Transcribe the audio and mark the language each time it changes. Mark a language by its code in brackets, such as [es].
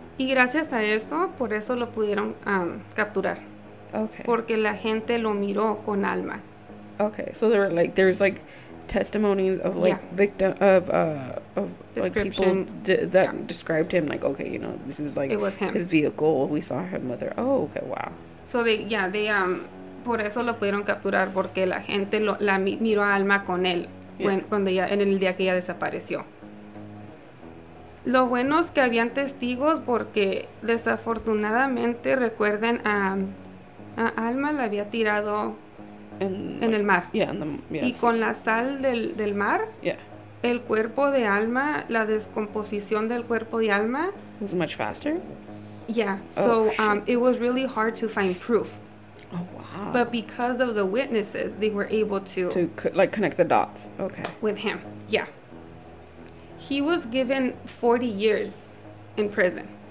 [es] Y gracias a eso, por eso lo pudieron capturar. [en] Okay. [es] Porque la gente lo miró con Alma. [en] Okay, so there were like, there's like testimonies of like victim of like people that described him, like, okay, you know, this is like it was him. His vehicle, we saw him with her. Oh, okay, wow. So they [es] por eso lo pudieron capturar, porque la gente la miró a Alma con él cuando ella, en el día que ella desapareció. Lo bueno es que habían testigos, porque desafortunadamente, recuerden, a Alma la había tirado en el mar. [en] Yeah, [es] y con la sal del mar, el cuerpo de Alma, la descomposición del cuerpo de Alma [en] was much faster. Yeah, so it was really hard to find proof. Oh, wow. But because of the witnesses, they were able to... To connect the dots. Okay. With him. Yeah. He was given 40 years in prison.